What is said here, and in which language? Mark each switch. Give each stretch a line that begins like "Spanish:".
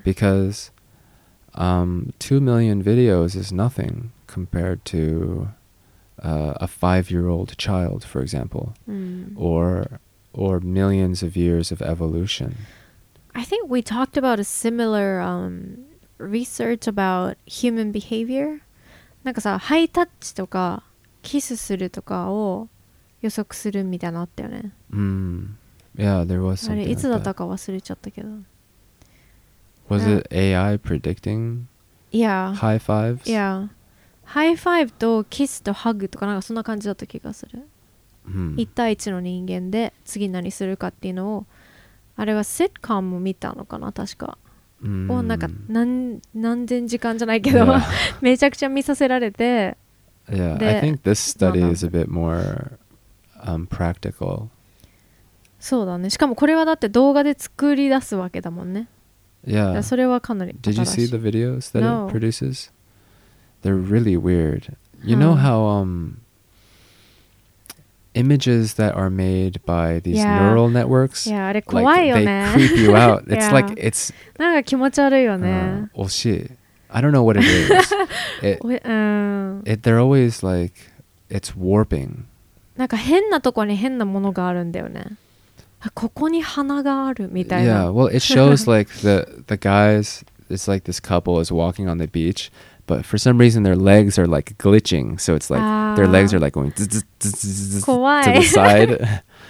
English: Because 2 million videos is nothing compared to a 5-year-old child, for example, or millions of years of evolution. I think we talked about a similar research about human behavior.
Japanese: なんかさ、ハイタッチとかキスするとかを予測するみたいなあったよね。
English: Yeah, there was something.
Japanese: あれいつだったか忘れちゃったけど。
English: Was it AI predicting high fives? Yeah.
Japanese: High five とキスとハグとかなんかそんな感じだった気がする。一対一の人間で次何するかっていうのを、あれはシットコムも見たのかな、確か。 Mm. なんか何千時間じゃないけど、
English: yeah.
Japanese: めちゃくちゃ見させられて。
English: Yeah, I think this study is a bit more practical.
Japanese: そうだね。しかもこれはだって動画で作り出すわけだもんね。
English: Yeah. Did you see the videos that it produces? They're really weird. You know how images that are made by these neural networks? Yeah,
Japanese: あれ怖いよね。
English: Like, they creep you out. It's like, it's...
Japanese: なんか気持ち悪いよね。惜しい。
English: I don't know what it is. They're always like, it's warping.
Japanese: なんか変なとこに変なものがあるんだよね。ここに花があるみたいな。
English: Yeah, well, it shows like the guys, it's like this couple is walking on the beach, but for some reason their legs are like glitching, so it's like their legs are like going to the side.